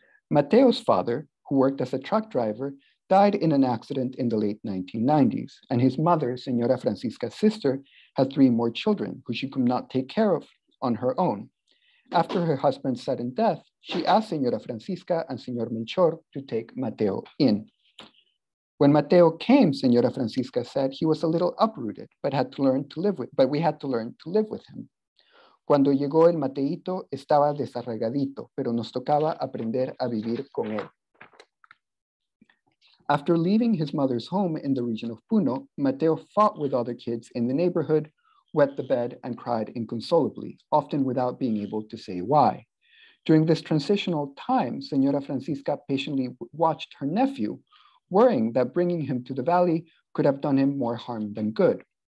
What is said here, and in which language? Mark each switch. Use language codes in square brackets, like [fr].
[en] Mateo's father, who worked as a truck driver, died in an accident in the late 1990s, and his mother, Señora Francisca's sister, had 3 more children who she could not take care of on her own. After her husband's sudden death, she asked Señora Francisca and Señor Melchor to take Mateo in. When Mateo came, Señora Francisca said, he was a little uprooted, but we had to learn to live with him. [es] Cuando llegó el Mateito, estaba desarraigadito, pero nos tocaba aprender a vivir con él. [en] After leaving his mother's home in the region of Puno, Mateo fought with other kids in the neighborhood, wet the bed, and cried inconsolably, often without being able to say why. During this transitional time, Señora Francisca patiently watched her nephew, worrying that bringing him to the valley could have done him more harm than good.